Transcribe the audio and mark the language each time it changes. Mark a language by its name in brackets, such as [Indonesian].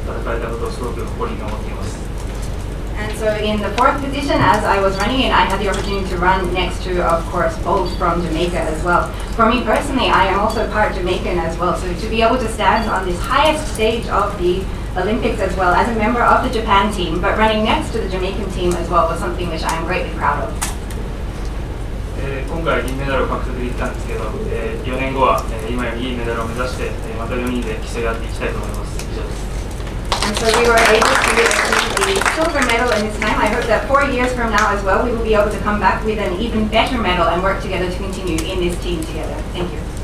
[English] And so in the fourth position as I was running in, I had the opportunity to run next to, of course, Bolt from Jamaica as well. For me personally, I am also part Jamaican as well, so to be able to stand on this highest stage of the Olympics as well as a member of the Japan team, but running next to the Jamaican team as well was something which I am greatly proud of. [Japanese] 今回銀メダルを獲得できたんですけど、4年後は今より銀メダルを目指して、また4人で競い合っていきたいと思います。以上です。 [English] And so we were able to receive the silver medal in this time. I hope that 4 years from now as well, we will be able to come back with an even better medal and work together to continue in this team together. Thank you.